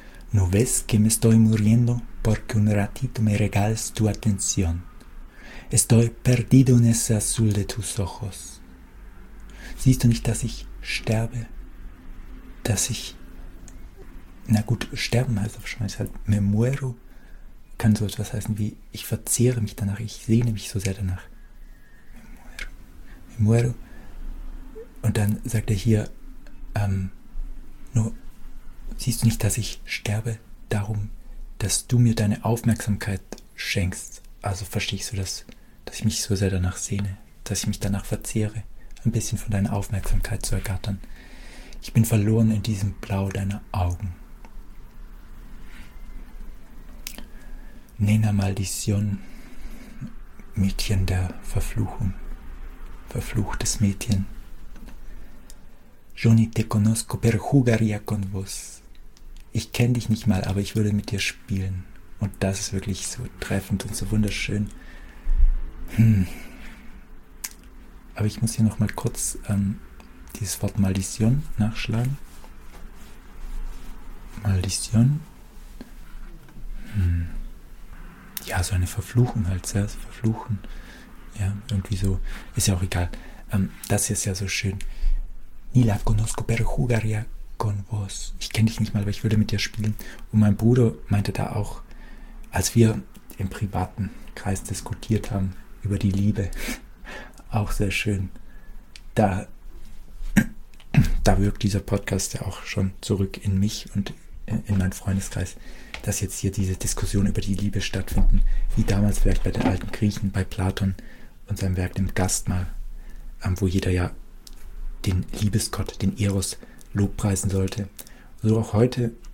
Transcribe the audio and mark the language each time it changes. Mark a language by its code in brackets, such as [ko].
[es] ¿No ves que me estoy muriendo porque un ratito me regales tu atención? Estoy perdido en ese azul de tus ojos. [de] ¿Siehst du nicht, dass ich sterbe? Dass ich, na gut, sterben heißt auf Spanisch halt, [es] me muero, [de] kann so etwas heißen wie, ich verzehre mich danach, ich sehne mich so sehr danach. [es] Muero. [de] Und dann sagt er hier, nur siehst du nicht, dass ich sterbe darum, dass du mir deine Aufmerksamkeit schenkst. Also verstehst du das, dass ich mich so sehr danach sehne, dass ich mich danach verzehre, ein bisschen von deiner Aufmerksamkeit zu ergattern. Ich bin verloren in diesem Blau deiner Augen. Nena Maldición, Mädchen der Verfluchung. Verfluchtes Mädchen. [es] Yo ni te conozco, pero jugaría con vos. [de] Ich kenne dich nicht mal, aber ich würde mit dir spielen. Und das ist wirklich so treffend und so wunderschön. Aber ich muss hier nochmal kurz dieses Wort Maldición nachschlagen. [es] Maldición. [de] Ja, so eine Verfluchung halt, ja, so verfluchen. Ja, irgendwie so, ist ja auch egal. Das hier ist ja so schön. [es] Ni la conozco, pero jugaría con vos. [de] Ich kenne dich nicht mal, aber ich würde mit dir spielen. Und mein Bruder meinte da auch, als wir im privaten Kreis diskutiert haben über die Liebe, auch sehr schön. Da wirkt dieser Podcast ja auch schon zurück in mich und in meinen Freundeskreis, dass jetzt hier diese Diskussion über die Liebe stattfinden, wie damals vielleicht bei den alten Griechen, bei Platon und seinem Werk dem Gastmahl, wo jeder ja den Liebesgott, den Eros, lobpreisen sollte. So auch heute.